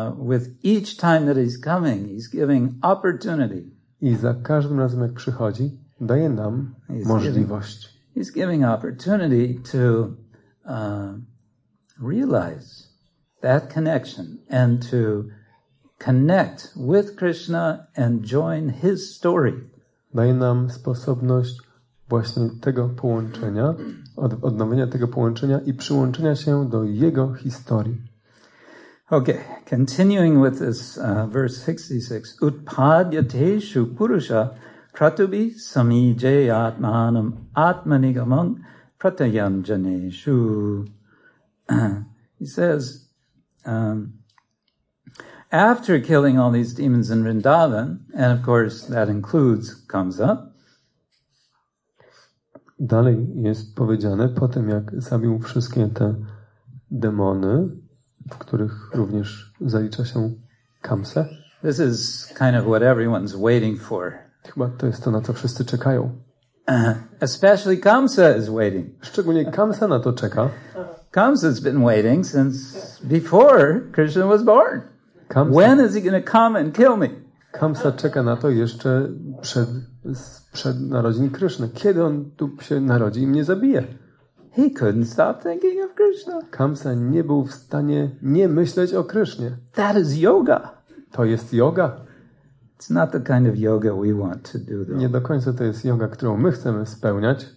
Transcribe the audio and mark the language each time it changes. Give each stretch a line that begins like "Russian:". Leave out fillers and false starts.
English: With each time that he's coming, he's giving opportunity.
Polish: I za każdym razem, jak przychodzi, daje nam możliwość.
English: He's giving opportunity to realize that connection and to connect with Krishna and join his story.
Polish: Daje nam sposobność właśnie tego połączenia, odnowienia tego połączenia i przyłączenia się do jego historii.
English: Okay, continuing with this verse 66.
Sanskrit: Utpadyateshu purusha kratubi samije atmanam atmanigamam pratyanjaneshu.
English: He says, after killing all these demons in Vrindavan, and of course that includes Kamsa.
Polish: Dalej jest powiedziane, po tym jak zabił wszystkie te demony, w których również zalicza się Kamsa.
English: This is kind of what everyone's waiting for.
Polish: Chyba to jest to, na co wszyscy czekają.
English: Especially Kamsa is waiting.
Polish: Szczególnie Kamsa na to czeka.
English: Kamsa's been waiting since before Krishna was born. Kamsa. When is he going to come and kill me?
Polish: Kamsa czeka na to jeszcze przed narodzin Kryszny. Kiedy on tu się narodzi i mnie zabije?
English: He couldn't stop thinking of Krishna.
Polish: Kamsa nie był w stanie nie myśleć o Krysznie.
English: That is yoga.
Polish: To jest yoga.
English: It's not the kind of yoga we want to do, though.
Polish: Nie do końca to jest yoga, którą my chcemy spełniać.